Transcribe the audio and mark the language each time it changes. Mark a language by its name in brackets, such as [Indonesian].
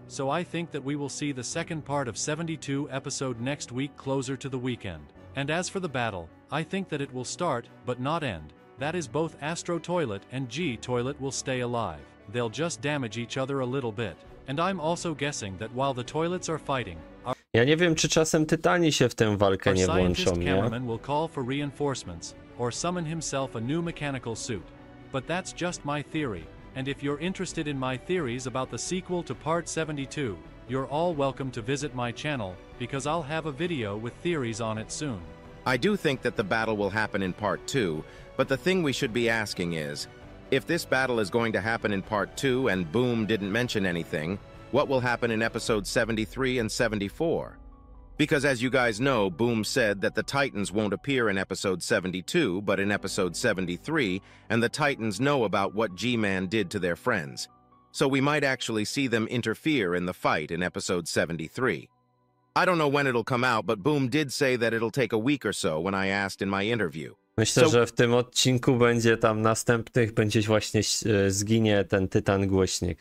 [English] So I think that we will see the second part of 72 episode next week closer to the weekend. And as for the battle, I think that it will start, but not end. That is both Astro Toilet and G Toilet will stay alive. They'll just damage each other a little bit. And I'm also guessing that while the toilets are fighting, our... [Polish] Ja nie wiem, czy czasem tytani się w tę walkę nie włączą, nie? [English] Cameraman will call for reinforcements, or summon himself a new mechanical suit. But that's just my theory, and if you're interested in my theories about the sequel to part 72, you're all welcome to visit my channel, because I'll have a video with theories on it soon. I do think that the battle will happen in part 2, but the thing we should be asking is, if this battle is going to happen in part 2 and Boom didn't mention anything, what will happen in episode 73 and 74? Because as you guys know, Boom said that the Titans won't appear in episode 72, but in episode 73, and the Titans know about what G-Man did to their friends. So we might actually see them interfere in the fight in episode 73. I don't know when it'll come out, but Boom did say that it'll take a week or so when I asked in my interview. [Polish] Myślę, że w tym odcinku będzie tam następnych, będzie właśnie zginie ten tytan głośnik.